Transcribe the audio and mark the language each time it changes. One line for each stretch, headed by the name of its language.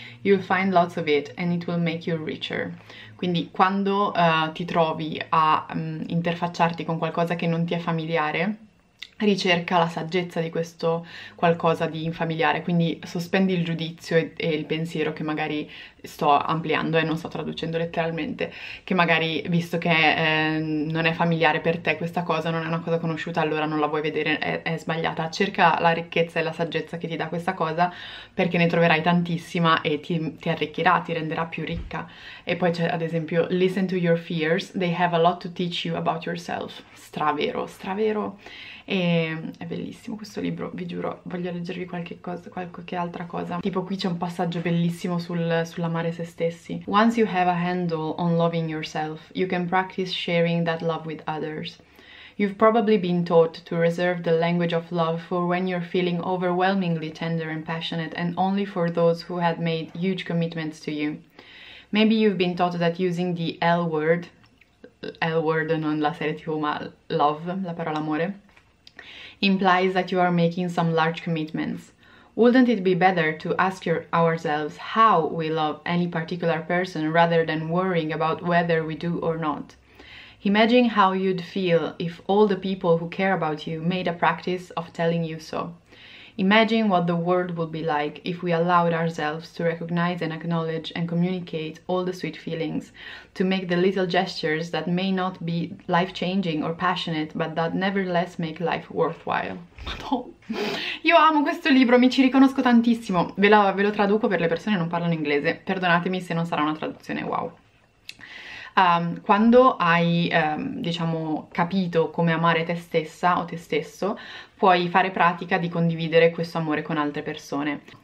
English: You'll find lots of it and it will make you richer.
Italian: Quindi quando ti trovi a interfacciarti con qualcosa che non ti è familiare, ricerca la saggezza di questo qualcosa di infamiliare, quindi sospendi il giudizio e il pensiero che magari sto ampliando e non sto traducendo letteralmente, che magari visto che non è familiare per te questa cosa, non è una cosa conosciuta, allora non la vuoi vedere, è sbagliata. Cerca la ricchezza e la saggezza che ti dà questa cosa perché ne troverai tantissima e ti arricchirà, ti renderà più ricca. E poi c'è ad esempio
English: Listen to your fears, they have a lot to teach you about yourself.
Italian: Stravero, stravero. È bellissimo questo libro, vi giuro, voglio leggervi qualche cosa, qualche altra cosa. Tipo qui c'è un passaggio bellissimo sull'amare se stessi.
English: Once you have a handle on loving yourself, you can practice sharing that love with others. You've probably been taught to reserve the language of love for when you're feeling overwhelmingly tender and passionate and only for those who had made huge commitments to you. Maybe you've been taught that using the L word
Italian: non la serie TV, ma
English: love,
Italian: la parola amore,
English: implies that you are making some large commitments. Wouldn't it be better to ask ourselves how we love any particular person rather than worrying about whether we do or not? Imagine how you'd feel if all the people who care about you made a practice of telling you so. Imagine what the world would be like if we allowed ourselves to recognize and acknowledge and communicate all the sweet feelings, to make the little gestures that may not be life-changing or passionate, but that nevertheless make life worthwhile.
Italian: Io amo questo libro, mi ci riconosco tantissimo. Ve lo traduco per le persone che non parlano inglese. Perdonatemi se non sarà una traduzione wow. Quando hai, diciamo, capito come amare te stessa o te stesso, puoi fare pratica di condividere questo amore con altre persone.